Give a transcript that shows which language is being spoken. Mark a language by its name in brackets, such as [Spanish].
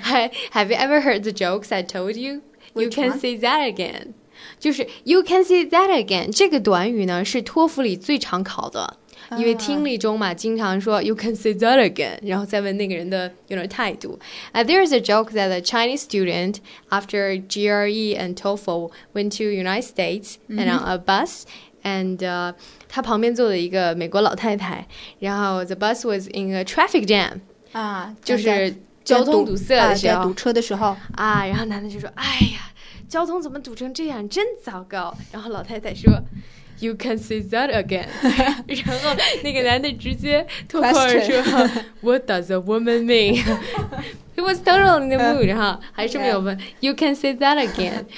[English] Have you ever heard the jokes I told you？ Which you can、 one? say that again， [Chinese] 就是 [English] you can say that again。 [Chinese] 这个短语呢是托福里最常考的。因为听力中嘛，经常说 [English] you can say that again， [Chinese] 然后再问那个人的 [English] you know [Chinese] 态度。 [English] There is a joke that a Chinese student after GRE and TOEFL went to United States and on a bus， and [Chinese] 他旁边坐了一个美国老太太，然后 [English] the bus was in a traffic jam， [Chinese] 就是交通堵塞的时候，堵车的时候啊，然后男的就说，哎呀，交通怎么堵成这样，真糟糕。然后老太太说。 [English] You can say that again. [Chinese] 然后那个男的直接脱口而出 [English] What does a woman mean? He was totally in the mood. [Chinese] 然后还是没有问 [English] You can say that again.